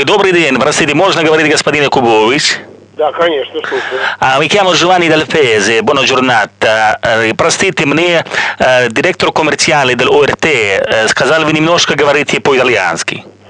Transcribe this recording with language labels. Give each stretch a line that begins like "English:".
Russian: Добрый день, простите, можно говорить господин Кубович? Да, конечно, слушаю.
Italian: Mi chiamo Giovanni Del Pese, buona giornata.
Russian: Простите, мне директор коммерциальный del ОРТ сказал вы немножко говорите по-итальянски.